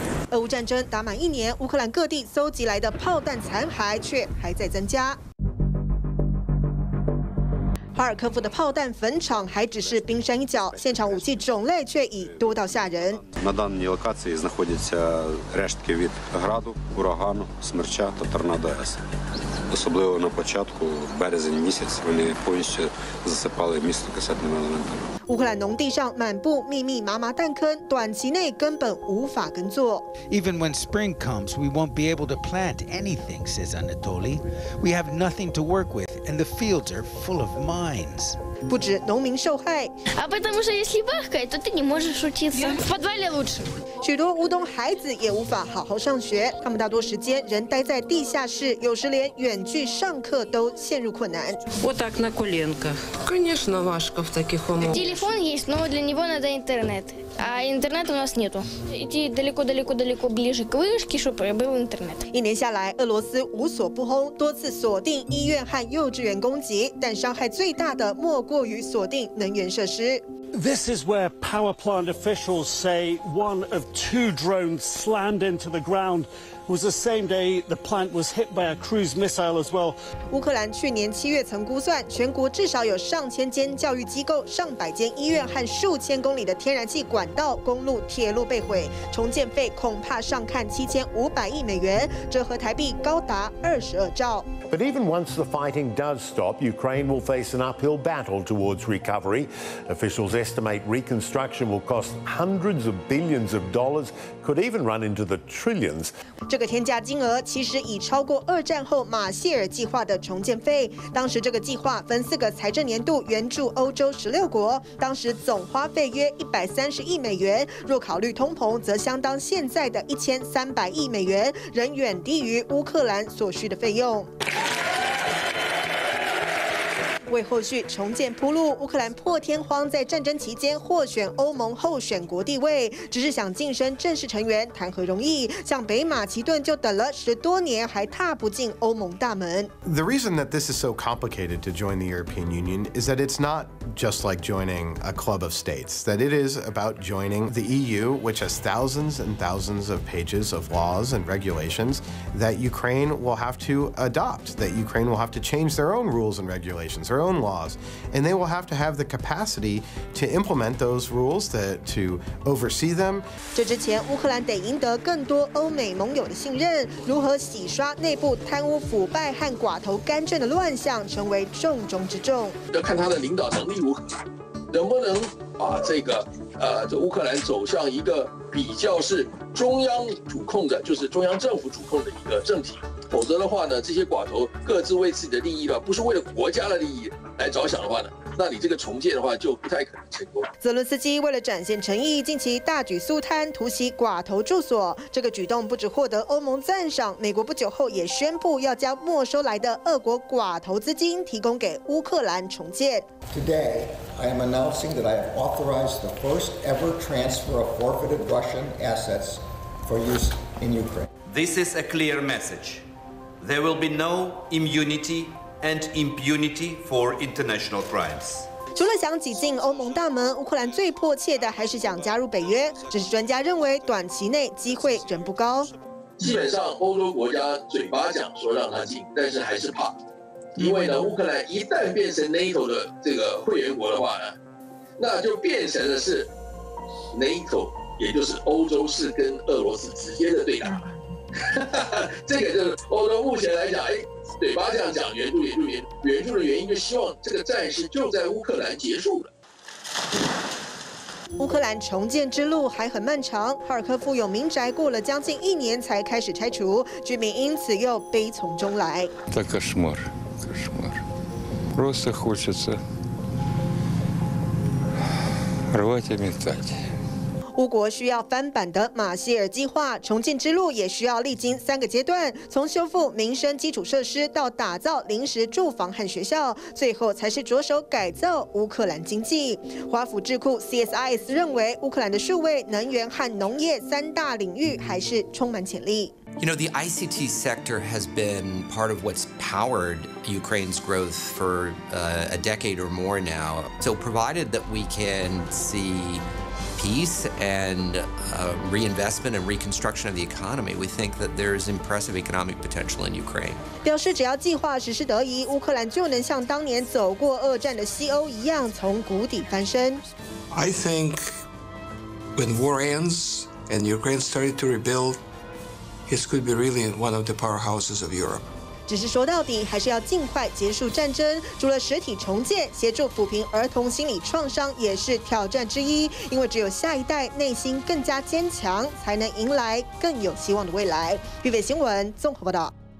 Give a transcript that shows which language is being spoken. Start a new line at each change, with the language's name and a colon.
Chinese: 俄乌战争打满一年，乌克兰各地搜集来的炮弹残骸却还在增加。哈尔科夫的炮弹坟场还只是冰山一角，现场武器种类却已多到吓人。
Ukrainian: На даній локації знаходяться рештки від граду, урагану, смерча та торнадо. Особливо на початку березень місяць вони повністю засипали місто касетними елементами.
Chinese: 乌克兰农地上满布密密麻麻弹坑，短期内根本无法耕作。
English: Even when spring comes, we won't be able to plant anything, says Anatoly. We have nothing to work with, and the fields are full of mud.
Chinese: 不止农民受害，
Russian: 啊，потому что если бахает, то ты не можешь учиться. В подвале лучше.
Chinese: 许多乌东孩子也无法好好上学，他们大多时间仍待在地下室，有时连远距上课都陷入困难。
Russian: Вот так на коленках. Конечно,
Ukrainian: важко
Russian: в таких условиях. Телефон есть, но для него надо интернет, а интернета у нас нету. Иди далеко-далеко-далеко ближе к вышке, чтобы был интернет.
Chinese: 一年下来，俄罗斯无所不轰，多次锁定医院和幼稚园攻击，但伤害最大的莫过于锁定能源设施。
English: This is where power plant officials say one of two drones slammed into the ground. It was the same day the plant was hit by a cruise missile as well.
Chinese: 乌克兰去年七月曾估算，全国至少有上千间教育机构、上百间医院和数千公里的天然气管道、公路、铁路被毁，重建费恐怕上看7500亿美元，折合台币高达22兆。
English: But even once the fighting does stop, Ukraine will face an uphill battle towards recovery. Officials. Estimate reconstruction will cost hundreds of billions of dollars, could even run into the trillions.
Chinese: 这个天价金额其实已超过二战后马歇尔计划的重建费。当时这个计划分四个财政年度援助欧洲16国，当时总花费约130亿美元。若考虑通膨，则相当现在的1300亿美元，仍远低于乌克兰所需的费用。为后续重建铺路，乌克兰破天荒在战争期间获选欧盟候选国地位，只是想晋升正式成员谈何容易，像北马其顿就等了10多年还踏不进欧盟大门。
English: The reason that this is so complicated to join the European Union is that it's not just like joining a club of states, that it is about joining the EU, which has thousands and thousands of pages of laws and regulations that Ukraine will have to adopt, that Ukraine will have to change their own rules and regulations. Their own laws, and they will have to have the capacity to implement those rules to oversee them.
Chinese: 这之前，乌克兰得赢得更多欧美盟友的信任。如何洗刷内部贪污腐败和寡头干政的乱象，成为重中之重。要看他的领导能力如何，能不能把这个这乌克兰走向一个比较是中央主控的，就是中央政府主控的一个政体。否则的话呢，这些寡头各自为自己的利益吧，不是为了国家的利益来着想的话呢，那你这个重建的话就不太可能成功。泽伦斯基为了展现诚意，近期大举肃贪，突袭寡头住所。这个举动不止获得欧盟赞赏，美国不久后也宣布要将没收来的俄国寡头资金提供给乌克兰重建。
English: Today, I am announcing that I have authorized the first ever transfer of forfeited Russian assets for use in Ukraine. This is a clear message. There will be no immunity and impunity for international crimes.
Chinese: 除了想挤进欧盟大门，乌克兰最迫切的还是想加入北约。只是专家认为，短期内机会仍不高。基本上，欧洲国家嘴巴讲说让他进，但是还是怕，因为呢，乌克兰一旦变成 NATO 的这个会员国的话呢，那就变成了是 NATO， 也就是欧洲是跟俄罗斯直接的对打。这个就是欧洲目前来讲，哎，嘴巴这样讲援助，援助的原因就希望这个战事就在乌克兰结束了。乌克兰重建之路还很漫长，哈尔科夫有民宅过了将近一年才开始拆除，居民因此又悲从中来。
Russian: Это кошмар, кошмар. Просто хочется рвать и метать.
Chinese: 乌国需要翻版的马歇尔计划，重建之路也需要历经三个阶段，从修复民生基础设施到打造临时住房和学校，最后才是着手改造乌克兰经济。华府智库 CSIS 认为，乌克兰的数位、能源和农业三大领域还是充满潜力。
English: You know, the ICT sector has been part of what's powered Ukraine's growth for a decade or more now. So, provided that we can see peace and reinvestment and reconstruction of the economy, we think that there's impressive economic potential in Ukraine.
Chinese: 表示只要计划实施得宜，乌克兰就能像当年走过二战的西欧一样，从谷底翻身。
English: I think when war ends and Ukraine started to rebuild, this could be really one of the powerhouses of Europe.
Chinese: 只是说到底，还是要尽快结束战争。除了实体重建，协助抚平儿童心理创伤也是挑战之一。因为只有下一代内心更加坚强，才能迎来更有希望的未来。预备新闻综合报道。